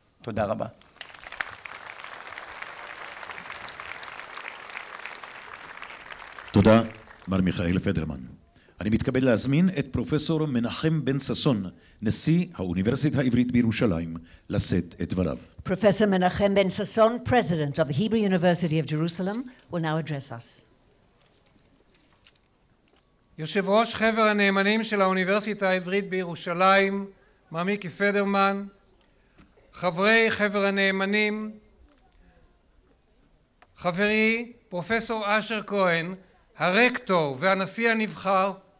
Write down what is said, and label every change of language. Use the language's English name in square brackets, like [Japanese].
[Hebrew] תודה רבה. תודה, מר מיכאל פדרמן. אני מתכבד להזמין את פרופסור מנחם בן ססון, נשיא האוניברסיטה העברית בירושלים, לשאת את דבריו. [English] Professor Menachem Ben Sasson, President of the Hebrew University of Jerusalem, will now address us. [Hebrew] יושב ראש חבר הנאמנים של האוניברסיטה העברית בירושלים, מר מיקי פדרמן, חברי חבר הנאמנים, חברי פרופסור אשר כהן, הרקטור והנשיא הנבחר,